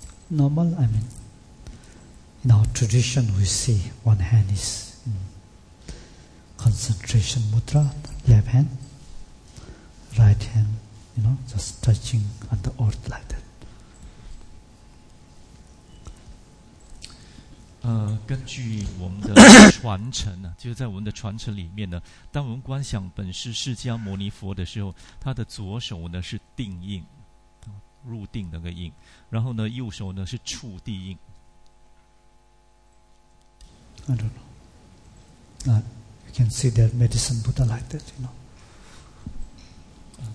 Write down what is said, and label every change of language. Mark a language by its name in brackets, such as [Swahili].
[English] Normal, I mean, in our tradition, we see one hand is in concentration mudra, left hand, right hand, you know, just touching on the earth like that. [Chinese] 根据我们的传承就是在我们的传承里面呢，当我们观想本师释迦牟尼佛的时候，他的左手呢是定印，入定那个印，然后呢右手呢是触地印。 [English] I don't know. You can see that medicine Buddha like that, you know.